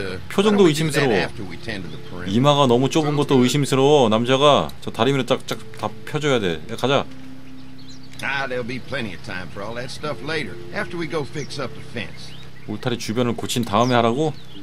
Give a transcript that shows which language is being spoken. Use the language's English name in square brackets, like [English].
[Korean] 표정도 의심스러워. 이마가 너무 좁은 것도 의심스러워. 남자가 저 다리미를 쫙쫙 다 펴줘야 돼. 야, 가자. [English] There'll be plenty of time for all that stuff later. After we go fix up the fence. [Korean] 울타리 주변을 고친 다음에 하라고?